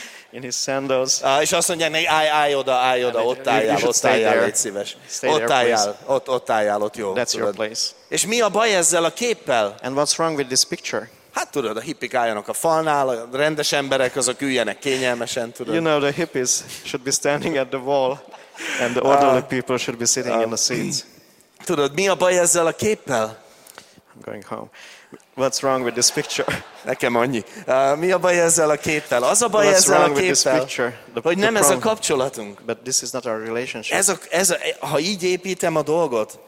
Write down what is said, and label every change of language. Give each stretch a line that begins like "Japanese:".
English: in his sandals.
Hungarian: És azt mondják neki, állj oda, ott álljál, légy szíves. Ott álljál, ott jó.
English: That's
Hungarian: tudod.
English: Your place.
Hungarian: És mi a baj ezzel a képpel?
English: And what's wrong with this picture?
Hungarian: Hát tudod, a hippik álljanak a falnál, a rendes emberek azok üljenek kényelmesen, tudod.
English: You know, the hippies should be standing at the wall, and the orderly people should be sitting in the seats.
Hungarian: Tudod, mi a baj ezzel a képpel?
English: I'm going home. What's wrong with this picture?
Hungarian: Nekem annyi. Mi a baj ezzel a képpel? Az a baj
English: what's
Hungarian: ezzel
English: wrong
Hungarian: a képpel,
English: with this picture? The,
Hungarian: hogy nem ez a kapcsolatunk.
English: But this is not our relationship.
Hungarian: Ha így építem a dolgot,